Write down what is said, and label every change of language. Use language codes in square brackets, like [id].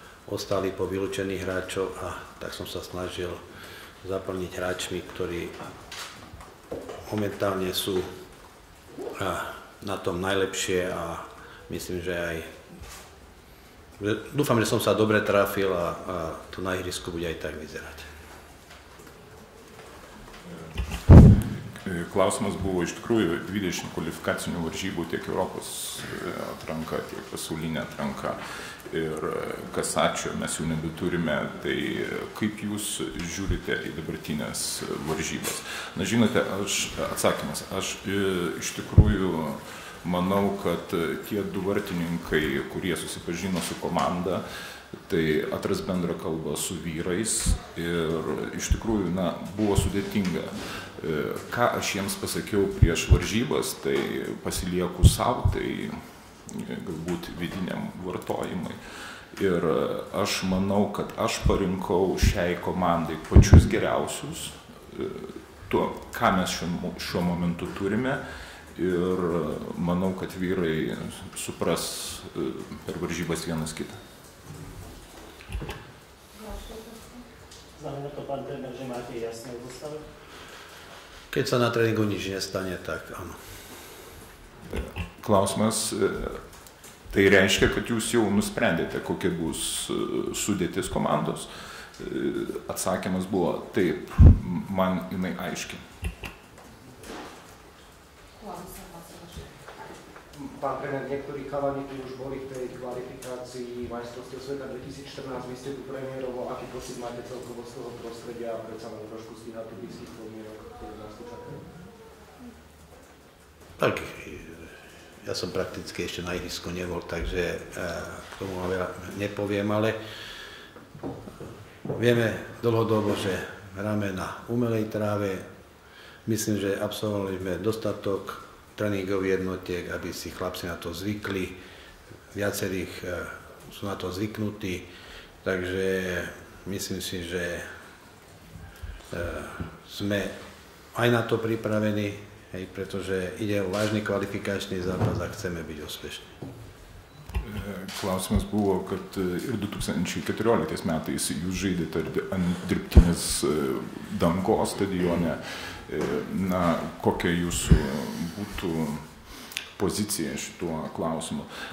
[sk] ostali po vylúčených hráčov a tak som sa snažil zaplniť hráčmi, ktorí momentálne sú na tom najlepšie a myslím, že aj, dúfam, že som sa dobre trafil a to na ihrisku bude aj tak vyzerať. [lt] Klausimas buvo iš tikrųjų 20 kvalifikacinių varžybų, tiek Europos atranka, tiek pasaulinė atranka. Ir kas ačiū, mes jau nebeturime, tai kaip jūs žiūrite į dabartinės varžybas? Na, žinote, aš iš tikrųjų manau, kad tie du vartininkai, kurie susipažino su komanda, tai atras bendrą kalbą su vyrais ir iš tikrųjų, na, buvo sudėtinga. Ką aš jiems pasakiau prieš varžybas, tai pasilieku savo, tai galbūt vidiniam vartojimui. Ir aš manau, kad aš parinkau šiai komandai pačius geriausius, to, ką mes šiuo momentu turime. Ir manau, kad vyrai supras per varžybas vienas kitą. [sk] Znamená to, pán tréner, že máte jasné zostavy? Keď sa na tréningu nič nestane, tak áno. [lt] Klausimas, tai reiškia, kad jūs jau nusprendėte, kokia bus sudėtis komandos. Atsakymas buvo taip, man jinai aiški. [sk] Pán tréner, niektorí chalani tu už boli v tej kvalifikácii majstrovstiev sveta 2014, vy ste tu premiérovo, aký pocit máte celkovo z toho prostredia, predsa len trošku stíhať tu blízkych podmienok, ktoré nás tu čakajú? Tak, ja som prakticky ešte na ihrisku nebol, takže k tomu vám veľa nepoviem, ale vieme dlhodobo, že hráme na umelej tráve. Myslím, že absolvovali sme dostatok tréningov jednotiek, aby si chlapci na to zvykli. Viacerých sú na to zvyknutí, takže myslím si, že sme aj na to pripravení. Hej, pretože ide o vážny kvalifikačný zápas a chceme byť úspešní. [lt] Klausimas buvo, kad ir 2014 metais jūs žaidėte ant dirbtinės dangos stadione. Na, kokia jūsų būtų pozicija šituo klausimu?